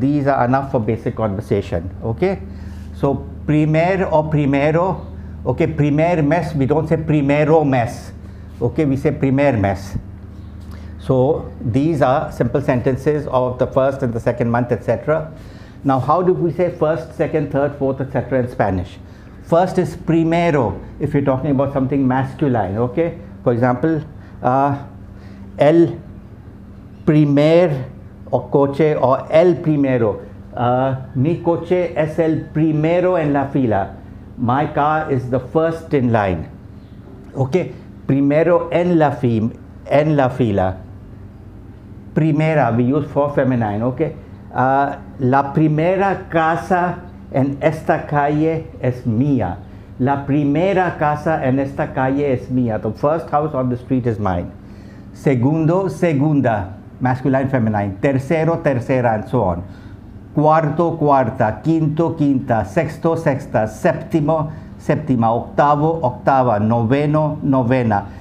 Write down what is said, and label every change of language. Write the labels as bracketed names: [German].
[English] These are enough for basic conversation, okay? So, [Spanish] primer or primero, [English] okay, [Spanish] primer mes, [English] we don't say [Spanish] primero mes, [English] okay? We say [Spanish] primer mes. [English] So, these are simple sentences of the first and the second month, etc. Now, how do we say first, second, third, fourth, etc. in Spanish? First is primero, if you're talking about something masculine, okay? For example, [Spanish] el primer o coche o el primero. Mi coche es el primero en la fila. [English] My car is the first in line. [Spanish] Okay, primero en la fila. Primera, [English] we use for feminine, [Spanish] okay. La primera casa en esta calle es mía. La primera casa en esta calle es mía. [English] The first house on the street is mine. [Spanish] Segundo, segunda, [English] masculine, feminine. [Spanish] Tercero, tercera, [English] and so on. [Spanish] Cuarto, cuarta. Quinto, quinta. Sexto, sexta. Séptimo, séptima. Octavo, octava. Noveno, novena.